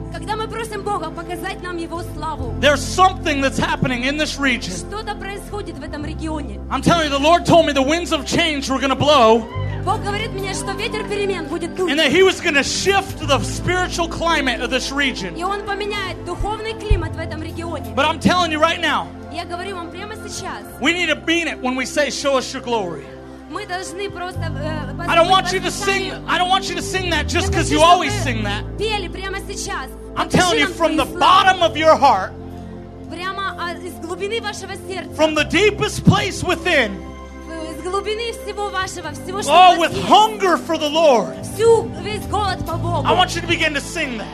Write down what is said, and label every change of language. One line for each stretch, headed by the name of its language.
Russian: Когда мы просим Бога показать нам Его славу.
English: There's something that's happening in this region.
Russian: Что-то происходит в этом регионе.
English: I'm telling you, the Lord told me the winds of change were going to blow.
Russian: Бог говорит мне, что ветер перемен будет дуть.
English: And that He was going to shift the spiritual climate of this region.
Russian: И Он поменяет духовный климат в этом регионе.
English: But I'm telling you right now.
Russian: Я говорю вам прямо сейчас.
English: We need to mean it when we say, "Show us Your glory."
Russian: Мы должны просто.
English: I don't want you to sing. I don't want you to sing that just because you always sing that.
Russian: Пели прямо сейчас.
English: I'm telling you from the bottom of your heart.
Russian: Прямо из глубины вашего сердца.
English: From the deepest place within.
Russian: Из глубины всего вашего, всего что.
English: Oh, with hunger for the Lord.
Russian: Всю весь голод по Богу.
English: I want you to begin to sing that.